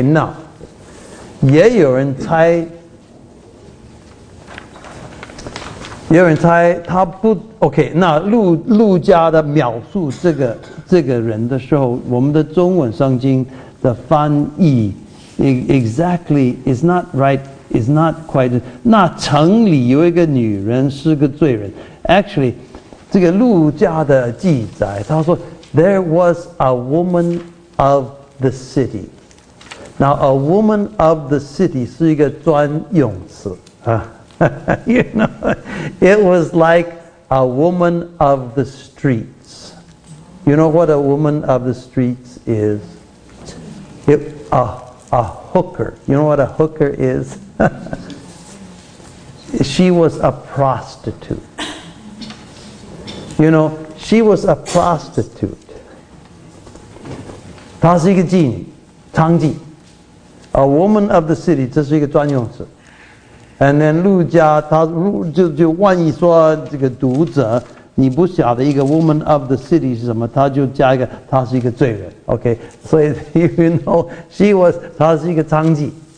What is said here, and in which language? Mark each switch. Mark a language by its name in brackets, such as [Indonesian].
[Chinese] 那也有人猜，也有人猜他不 OK。那路加的描述这个人的时候，我们的中文圣经的翻译 [English] exactly is not right。 Is not quite. [Chinese] 那城里有一个女人是个罪人。 [English] Actually, [Chinese] 这个路加的记载，他说 [English] ，There was a woman of the city. Now, a woman of the city [Chinese] 是一个专用词啊。 [English] You know, it was like a woman of the streets. You know what a woman of the streets is? A hooker. You know what a hooker is? She was a prostitute. You know, she was a prostitute. [Chinese] 她是一个妓女，娼妓。 [English] A woman of the city, [Chinese] 这是一个专用词。 [English] And then [Chinese] 路加他就万一说这个读者你不晓得一个 [English] woman of the city [Chinese] 是什么，他就加一个她是一个罪人。 OK, 所以 [English] you know, [Chinese] 她是一个娼妓。